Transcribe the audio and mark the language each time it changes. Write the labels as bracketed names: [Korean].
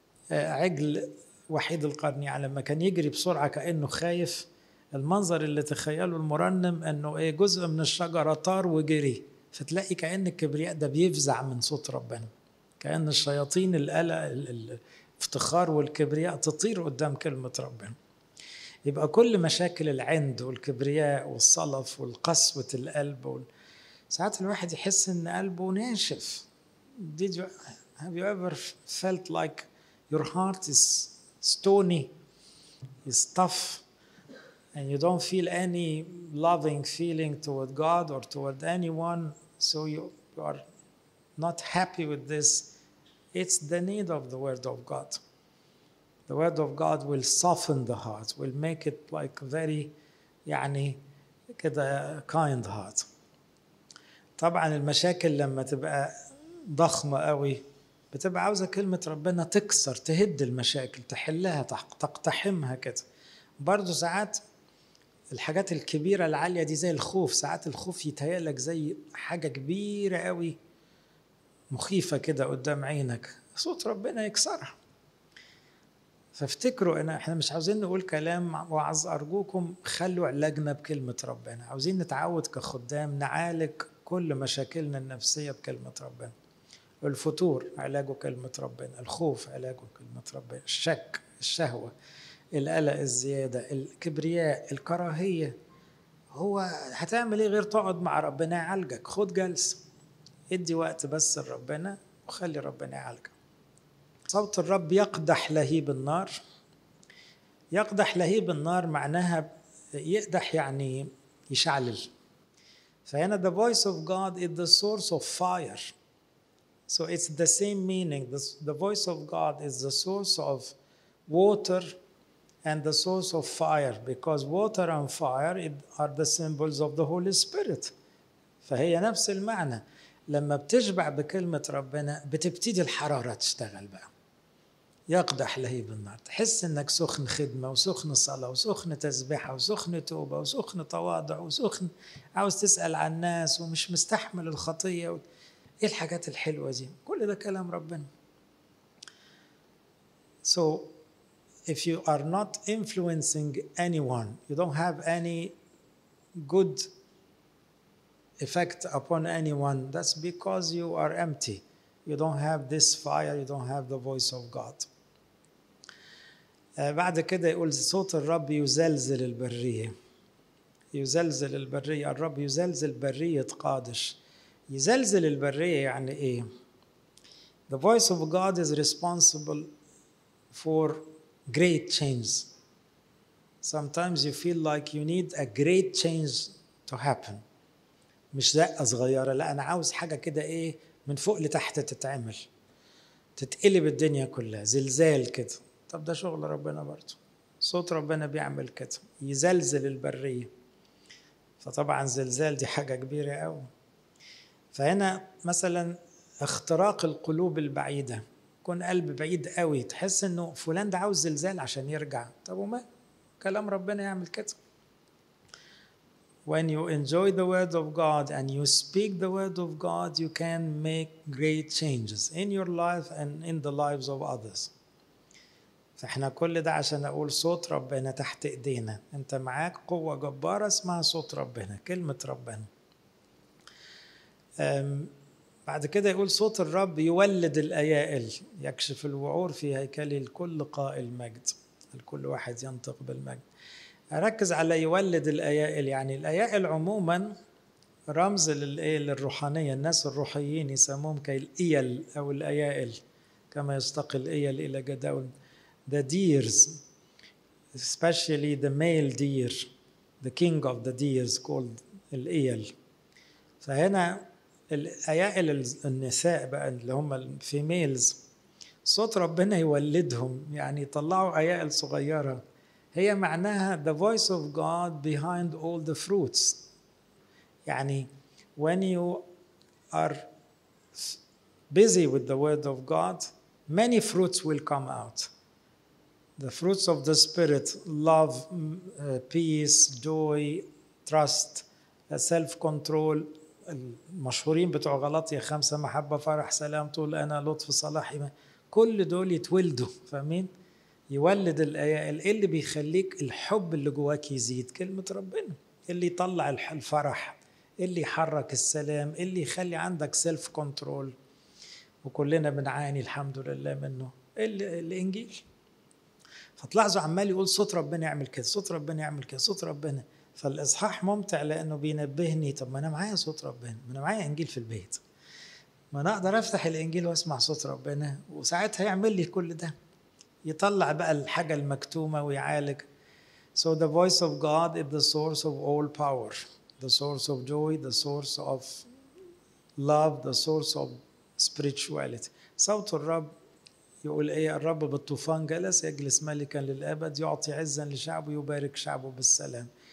[Arabic] عجل وحيد القرن، يعني لما كان يجري بسرعة كأنه خايف، المنظر اللي تخيله المرنم أنه إيه جزء من الشجرة طار وجري، فتلاقي كأن الكبرياء ده بيفزع من صوت ربنا، كأن الشياطين القلق الافتخار والكبرياء تطير قدام كلمة ربنا. يبقى كل مشاكل العند والكبرياء والصلف والقسوة القلب، ساعات الواحد يحس أن قلبه ناشف. [English] Did you, have you ever felt like your heart is stony, is tough, and you don't feel any loving feeling toward God or toward anyone, so you are not happy with this? It's the need of the word of God. The word of God will soften the heart, will make it like very, [Arabic] يعني كده [English] kind heart. [Arabic] طبعا المشاكل لما تبقى ضخمة قوي بتبقى عاوزة كلمة ربنا تكسر، تهد المشاكل، تحلها، تقتحمها كده. برضو ساعات الحاجات الكبيرة العالية دي زي الخوف، ساعات الخوف يتهيألك زي حاجة كبيرة قوي مخيفة كده قدام عينك، صوت ربنا يكسرها. فافتكروا ان احنا مش عاوزين نقول كلام وعز، ارجوكم خلوا علاجنا بكلمة ربنا. عاوزين نتعود كخدام نعالج كل مشاكلنا النفسية بكلمة ربنا. الفتور علاجه كلمة ربنا، الخوف علاجه كلمة ربنا، الشك، الشهوة، القلق الزيادة، الكبرياء، الكراهية، هو هتعمل ايه غير تقعد مع ربنا يعالجك؟ خد جلسة، ادي وقت بس لربنا وخلي ربنا يعالجك. صوت الرب يقدح لهيب النار. يقدح لهيب النار معناها يقدح، يعني يشعلل. فهنا [English] the voice of God is the source of fire. So it's the same meaning. The voice of God is the source of water and the source of fire, because water and fire are the symbols of the Holy Spirit. [Arabic] فهي نفس المعنى. لما بتشبع بكلمة ربنا بتبتدي الحرارة تشتغل بقى. يقدح لهيب النار، تحس انك سخن خدمة وسخن صلاة وسخن تسبيحة وسخن توبة وسخن تواضع وسخن عاوز تسأل عن الناس ومش مستحمل الخطية. ايه الحاجات الحلوة دي؟ كل ده كلام ربنا. [English] So if you are not influencing anyone, you don't have any good effect upon anyone, that's because you are empty. You don't have this fire, you don't have the voice of God. [Arabic] بعد كده يقول صوت الرب يزلزل البرية. يزلزل البرية، الرب يزلزل برية قادش. يزلزل البرية يعني ايه؟ [English] The voice of God is responsible for great change. Sometimes you feel like you need a great change to happen. [Arabic] مش زقة صغيرة، لا انا عاوز حاجة كده ايه من فوق لتحت تتعمل، تتقلب الدنيا كلها زلزال كده. طب ده شغل ربنا برضو، صوت ربنا بيعمل كده، يزلزل البرية. فطبعا زلزال دي حاجة كبيرة قوي. فهنا مثلا اختراق القلوب البعيدة، يكون قلب بعيد قوي، تحس انه فلان ده عاوز زلزال عشان يرجع. طب وما كلام ربنا يعمل كده؟ [English] When you enjoy the word of God and you speak the word of God, you can make great changes in your life and in the lives of others. [Arabic] فاحنا كل ده عشان اقول صوت ربنا تحت ايدينا، انت معاك قوة جبارة اسمها صوت ربنا، كلمة ربنا. بعد كده يقول صوت الرب يولد الأيائل، يكشف الوعور في هيكله الكل قائل مجد. الكل واحد ينطق بالمجد. أركز على يولد الأيائل، يعني الأيائل عموما رمز للروحانية، الناس الروحيين يسموهم كالإيل أو الأيائل، كما يستقي الإيل إلى جداول. [English] The deers, especially the male deer, the king of the deers called الإيل. [Arabic] فهنا الأيائل النساء بقى اللي هم الفيميلز، صوت ربنا يولدهم، يعني يطلعوا أيائل صغيرة. هي معناها [English] the voice of God behind all the fruits. يعني when you are busy with the word of God, many fruits will come out. The fruits of the spirit, love, peace, joy, trust, self-control. [Arabic] المشهورين بتوع غلطية 5، محبة، فرح، سلام، طول أنا، لطف، صلاح، كل دول يتولدوا. فاهمين؟ يولد الأيائل اللي بيخليك الحب اللي جواك يزيد، كلمة ربنا اللي يطلع الفرح، اللي يحرك السلام، اللي يخلي عندك سيلف كنترول، وكلنا بنعاني الحمد لله منه، الإنجيل. فتلاحظوا عمال يقول صوت ربنا يعمل كده، صوت ربنا يعمل كده، صوت ربنا. فالإصحاح ممتع لأنه بينبهني، طب ما أنا معايا صوت ربنا، ما أنا معايا إنجيل في البيت، ما أنا أقدر أفتح الإنجيل وأسمع صوت ربنا، وساعتها يعمل لي كل ده، يطلع بقى الحاجة المكتومة ويعالج. [English] So the voice of God is the source of all power, the source of joy, the source of love, the source of spirituality. [Arabic] صوت الرب يقول إيه؟ الرب بالطوفان جلس، يجلس ملكا للأبد، يعطي عزا لشعبه، يبارك شعبه بالسلام.